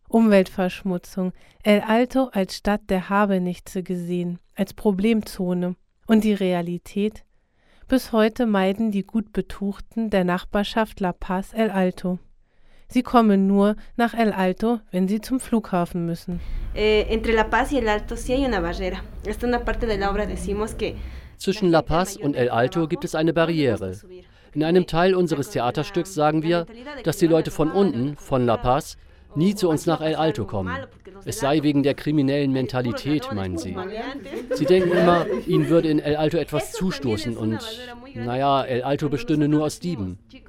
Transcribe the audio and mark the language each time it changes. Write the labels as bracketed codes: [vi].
[de] Umweltverschmutzung, El Alto als Stadt der Habenichtse gesehen, als Problemzone. Und die Realität? Bis heute meiden die Gutbetuchten der Nachbarschaft La Paz El Alto. Sie kommen nur nach El Alto, wenn sie zum Flughafen müssen. [es] Entre La Paz y El Alto sí hay una barrera. Es una parte de la obra decimos que... [de] Zwischen La Paz und El Alto gibt es eine Barriere. In einem Teil unseres Theaterstücks sagen wir, dass die Leute von unten, von La Paz, nie zu uns nach El Alto kommen. Es sei wegen der kriminellen Mentalität, meinen sie. Sie denken immer, ihnen würde in El Alto etwas zustoßen und, naja, El Alto bestünde nur aus Dieben.